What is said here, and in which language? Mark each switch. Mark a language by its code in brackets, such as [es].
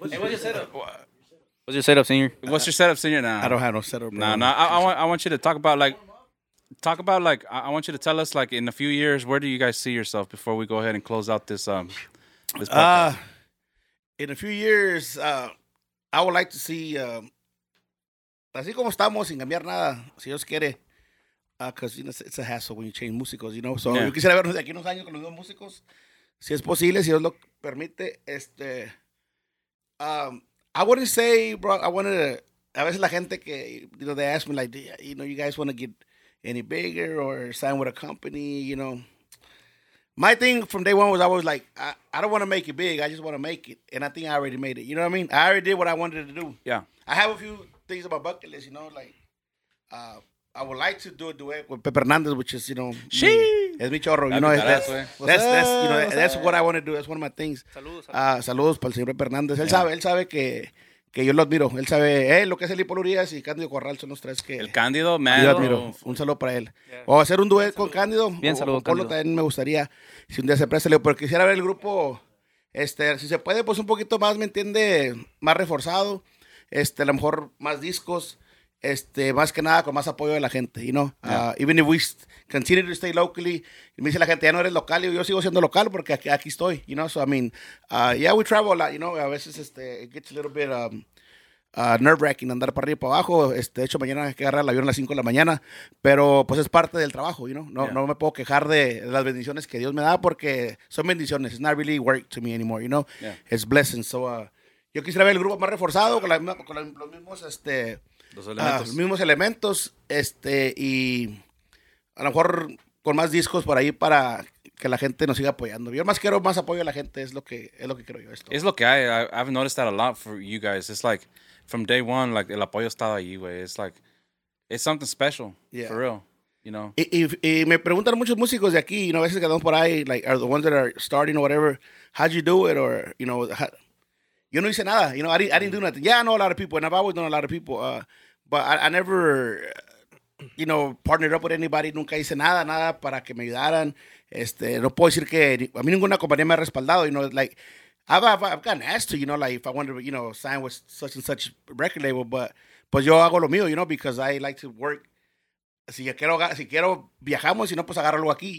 [en] What's your setup, Senior? Nah. I don't have no setup, bro. Nah, I want you to talk about, I want you to tell us, like, in a few years, where do you guys see yourself before we go ahead and close out this podcast? In a few years, I would like to see... [es] así como estamos, sin cambiar nada, si Dios quiere... [en] because you know, it's a hassle when you change músicos, you know. So, yeah. [es] Yo quisiera vernos de aquí unos años con los mismos músicos, si es posible, si Dios lo permite. [en] I wouldn't say, bro, I wanted to. [es] A veces la gente que, [en] you know, they ask me, like, you know, you guys want to get any bigger or sign with a company, you know. My thing from day one was I was like, I don't want to make it big, I just want to make it. And I think I already made it, you know what I mean? I already did what I wanted to do. Yeah. I have a few things about bucket list, you know, like, I would like to do a duet with Pepe Hernandez, which is, you know, [es] es mi chorro, [en] you know, that's what I want to do. That's one of my things. [es] Saludos para el señor Pepe Hernandez. Yeah. Él sabe que yo lo admiro. Él sabe lo que es el Hipólito Urías y Cándido Corral son los tres que el Cándido, man. Yo admiro. Un saludo para él. Yeah. O hacer un duet con Cándido. Bien, saludos, Cándido. Polo también me gustaría si un día se presta, pero quisiera ver el grupo, si se puede, pues un poquito más, me entiende, más reforzado, a lo mejor más discos. Más que nada con más apoyo de la gente, [en] you know. Yeah. Even if we continue to stay locally, [es] me dice la gente, ya no eres local, y yo sigo siendo local porque aquí estoy, [en] you know. So, I mean, we travel a lot, you know. [es] A veces [en] it gets a little bit nerve-wracking [es] andar para arriba y para abajo. De hecho, mañana hay que agarrar el avión a las 5 de la mañana, pero pues es parte del trabajo, you know. No me puedo quejar de las bendiciones que Dios me da porque son bendiciones. [en] It's not really work to me anymore, you know. Yeah. It's blessings. [es] So, yo quisiera ver el grupo más reforzado con los mismos, Los mismos elementos, y a lo mejor con más discos por ahí para que la gente nos siga apoyando. Yo más quiero más apoyo a la gente, es lo que quiero yo. Es lo que [en] I've noticed that a lot for you guys. It's like, from day one, like, [es] el apoyo estaba ahí, güey. [en] It's like, it's something special, yeah. For real, you know. [es] Y me preguntan muchos músicos de aquí, [en] you know, [es] a veces que andamos por ahí, [en] like, are the ones that are starting or whatever, how'd you do it, or, you know, [es] yo no hice nada, [en] you know, I didn't do nothing. Yeah, I know a lot of people, and I've always known a lot of people. But I never, you know, partnered up with anybody. [es] Nunca hice nada, nada para que me ayudaran. Este, no puedo decir que a mí ninguna compañía me ha respaldado. [en] You know, like, I've gotten asked to, you know, like, if I wanted to, you know, sign with such and such record label. But, [es] pues yo hago lo mío, [en] you know, because I like to work. [es] Si quiero viajamos, si no, pues agarro algo aquí.